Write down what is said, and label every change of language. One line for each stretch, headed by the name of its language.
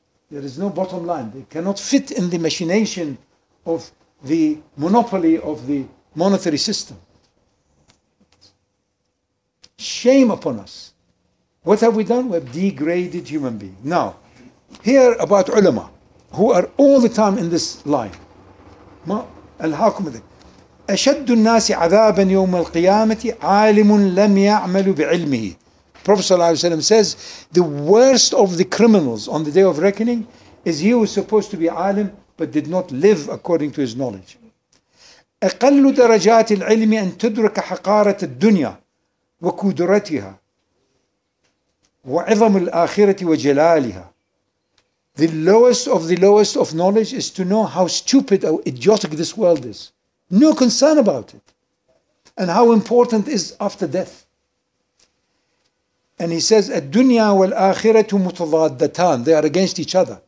English: There is no bottom line. They cannot fit in the machination of the monopoly of the monetary system. Shame upon us. What have we done? We have degraded human beings. Now, hear about ulama who are all the time in this line.
Arabic: ما الحاكم ذي أشد الناس عذابا يوم القيامة عالم لم يعمل بعلمه.
English: Prophet sallallahu alaihi wasallam says the worst of the criminals on the day of reckoning is he was supposed to be alim but did not live according to his knowledge.
Arabic: أقل درجات العلم أن تدرك حقارة الدنيا وكدرتها وعظم الآخرة وجلالها.
English: The lowest of the lowest of knowledge is to know how stupid or idiotic this world is. No concern about it. And how important it is after death. And he says,
Arabic: الدُّنْيَا وَالْآخِرَةُ مُتَضَادَّتَانِ.
English: They are against each other.